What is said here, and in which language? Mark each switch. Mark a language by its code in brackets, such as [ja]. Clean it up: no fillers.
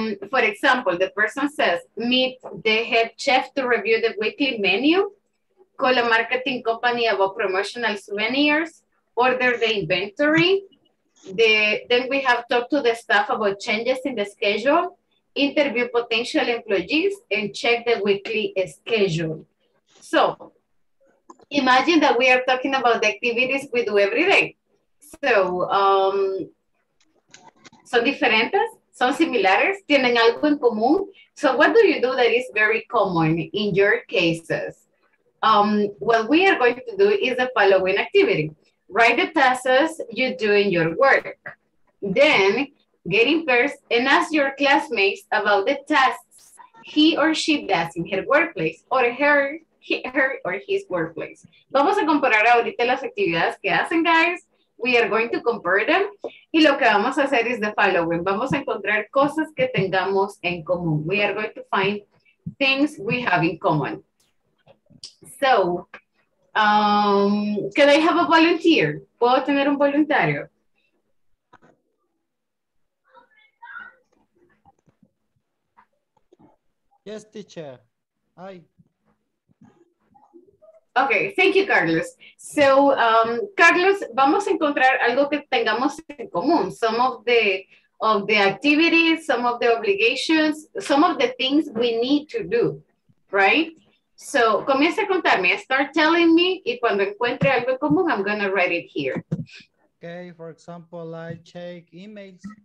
[en] For example, the person says, meet the head chef to review the weekly menu, call a marketing company about promotional souvenirs, order the inventory. Then we have talked to the staff about changes in the schedule, interview potential employees, and check the weekly schedule. So imagine that we are talking about the activities we do every day. [es] So, son diferentes, son similares, tienen algo en común. [en] So what do you do that is very common in your cases? What we are going to do is the following activity. Write the tasks you do in your work. Then get in pairs and ask your classmates about the tasks he or she does in her workplace or her or his workplace. [es] Vamos a comparar ahorita las actividades que hacen, guys. [en] We are going to compare them. [es] Y lo que vamos a hacer [en] is the following. [es] Vamos a encontrar cosas que tengamos en común. [en] We are going to find things we have in common. So, can I have a volunteer? [es] ¿Puedo tener un voluntario? [en] Yes, teacher. Hi. Okay, thank you, Carlos. [es] So, Carlos, vamos a encontrar algo que tengamos en común. [en] Some of the activities, some of the obligations, some of the things we need to do, right? So, [es] comience a contarme. [en] Start telling me, [es] y cuando encuentre algo en común, [en] I'm going to write it here. Okay, for example, I check emails.